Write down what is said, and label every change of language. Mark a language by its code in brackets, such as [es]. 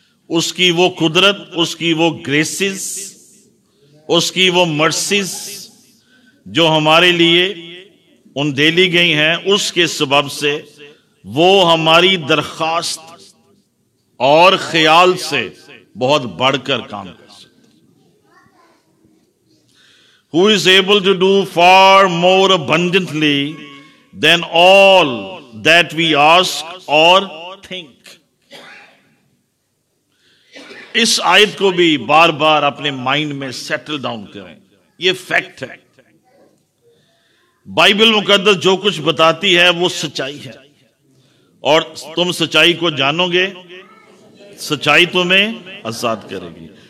[ur] اس کی وہ قدرت, اس کی وہ گریسز, اس کی وہ مرسیز جو ہمارے لیے ان دے لی گئی ہیں, اس کے سبب سے وہ ہماری درخواست اور خیال سے بہت بڑھ کر کام کر سکتا. [en] Who is able to do far more abundantly than all that we ask or think. [ur] اس آیت کو بھی بار بار اپنے مائنڈ میں سیٹل ڈاؤن کریں, یہ فیکٹ ہے. بائبل مقدس جو کچھ بتاتی ہے وہ سچائی ہے, اور تم سچائی کو جانو گے, سچائی تمہیں آزاد کرے گی.